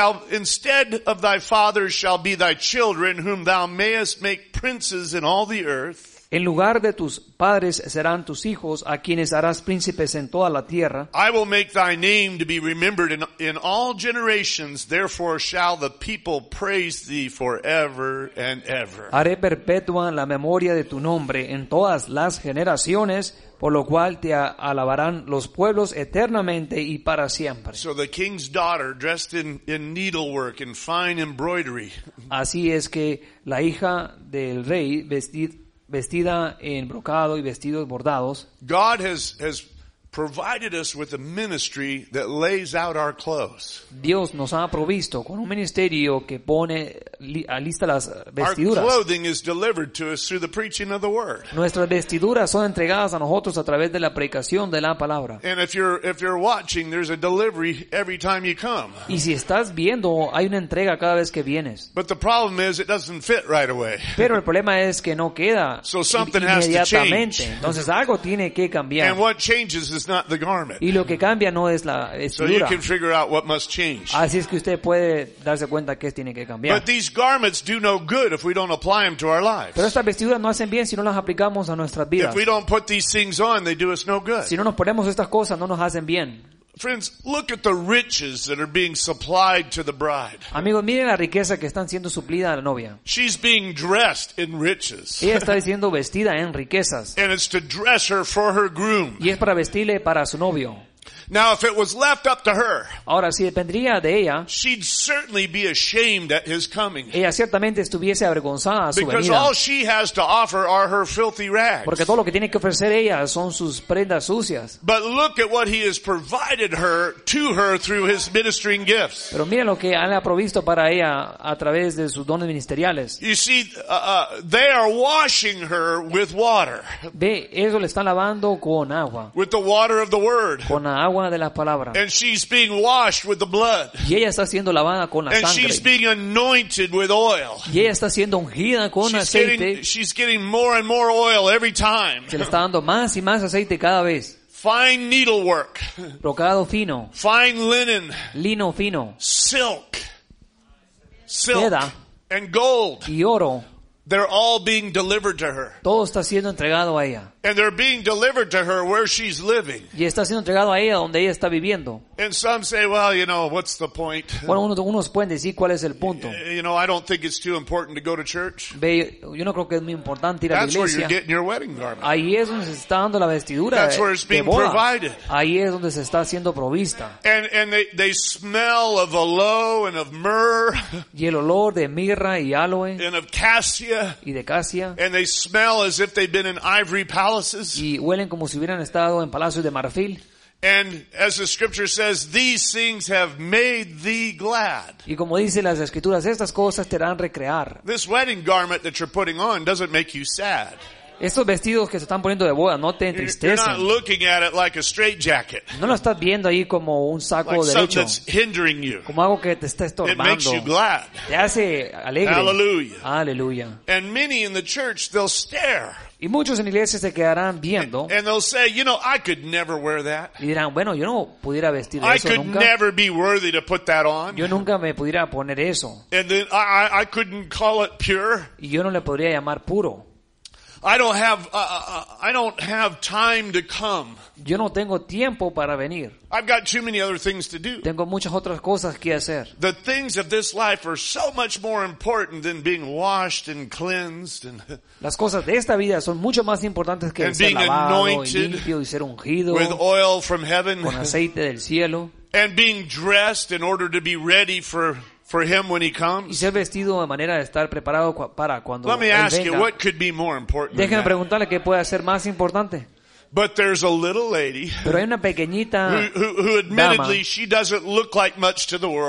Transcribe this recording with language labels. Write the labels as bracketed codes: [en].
[en] Instead of thy fathers shall be thy children whom thou mayest make princes in all the earth. [es] En lugar de tus padres serán tus hijos a quienes harás príncipes en toda la tierra. [en] I will make thy name to be remembered in all generations, therefore shall the people praise thee forever and ever. [es] Haré perpetua la memoria de tu nombre en todas las generaciones, por lo cual te alabarán los pueblos eternamente y para siempre. [en] So the king's daughter dressed in needlework and fine embroidery. [es] Así es que la hija del rey vestida en brocado y vestidos bordados. [en] God has provided us with a ministry that lays out our clothes. [es] Dios nos ha provisto con un ministerio que pone a lista las vestiduras. [en] Our clothing is delivered to us through the preaching of the word. [es] Nuestras vestiduras son entregadas a nosotros a través de la predicación de la palabra. [en] And if you're watching, there's a delivery every time you come. [es] Y si estás viendo, hay una entrega cada vez que vienes. [en] But the problem is it doesn't fit right away. [es] Pero el problema es que no queda. [en] So something has to change. [es] Entonces algo tiene que cambiar. [en] And what changes is not the garment. [es] Y lo que cambia no es la vestidura. [en] So you can figure out what must change. [es] Así es que usted puede darse cuenta qué tiene que cambiar. [en] But these garments do no good if we don't apply them to our lives. [es] Pero estas vestiduras no hacen bien si no las aplicamos a nuestras vidas. [en] If we don't put these things on, they do us no good. [es] Si no nos ponemos estas cosas, no nos hacen bien. [en] Friends, look at the riches that are being supplied to the bride. [es] Amigos, miren la riqueza que están siendo suplida a la novia. [en] She's being dressed in riches. [es] Ella está siendo vestida en riquezas. [en] And it's to dress her for her groom. [es] Y es para vestirle para su novio. [en] Now, if it was left up to her, [es] ahora, si dependería de ella, [en] she'd certainly be ashamed at his coming. [es] Ella ciertamente estuviese avergonzada a su venida. [en] Because all she has to offer are her filthy rags. [es] Porque todo lo que tiene que ofrecer ella son sus prendas sucias. [en] But look at what he has provided her to her through his ministering gifts. [es] Pero mira lo que él ha provisto para ella a través de sus dones ministeriales. [en] You see, they are washing her with water. [es] Ve, eso le están lavando con agua. [en] With the water of the word. [es] Con agua. [en] And she's being washed with the blood. [es] Y ella está siendo lavada con la [en] and [es] sangre. [en] She's being anointed with oil. [es] Y ella está siendo ungida con [en] she's [es] aceite. [en] She's getting more and more oil every time. [es] Se le está dando más y más aceite cada vez. [en] Fine needlework. [es] Brocado fino. [en] Fine linen. [es] Lino fino. [en] Silk. Silk. [es] Seda. [en] And gold. [es] Y oro. [en] They're all being delivered to her. [es] Todo está siendo entregado a ella. [en] And they're being delivered to her where she's living. [es] Y está siendo entregado a ella donde ella está viviendo. [en] And some say, well, you know, what's the point? [es] Bueno, unos pueden decir cuál es el punto. [en] You know, I don't think it's too important to go to church. [es] Ve, yo no creo que es muy importante ir a la iglesia. [en] That's where you're getting your wedding garment. [es] Ahí es donde se está dando la vestidura. [en] That's where it's being provided. [es] Ahí es donde se está siendo provista. [en] And they smell of aloe and of myrrh. [es] Y el olor de mirra y aloe. [en] And of cassia. [es] Y de cassia. [en] And they smell as if they've been in ivory palaces. [es] Y huelen como si hubieran estado en palacios de marfil. [en] And as the scripture says, these things have made thee glad. [es] Y como dice las escrituras, estas cosas te harán recrear. [en] This wedding garment that you're putting on doesn't make you sad. [es] Estos vestidos que se están poniendo de boda no te entristecen. [en] You're not looking at it like a straitjacket. [es] No lo estás viendo ahí como un saco [en] like [es] derecho. [en] Like something that's hindering you. [es] Como algo que te está estorbando. [en] It makes you glad. [es] Te hace alegre. [en] Hallelujah. Hallelujah. And many in the church, they'll stare. [es] Y muchos en la iglesia se quedarán viendo. [en] And they'll say, you know, I could never wear that. [es] Y dirán, bueno, yo no pudiera vestir eso nunca. [en] I could never be worthy to put that on. [es] Yo nunca me pudiera poner eso. [en] And then I couldn't call it pure. [es] Y yo no le podría llamar puro. [en] I don't have time to come. [es] Yo no tengo tiempo para venir. [en] I've got too many other things to do. [es] Tengo muchas otras cosas que hacer. [en] The things of this life are so much more important than being washed and cleansed and [es] las cosas de esta vida son mucho más importantes que ser lavado y limpio y ser ungido [en] with oil from heaven [es] con aceite del cielo [en] and being dressed in order to be ready for him when he comes. [es] Y ser vestido de manera de estar preparado para cuando él venga. [en] Let me ask you, what could be more important? [es] Déjenme preguntarle qué puede ser más importante. [en] But there's a little lady. [es] Pero hay una pequeñita [en] who admittedly she doesn't look like much to the world.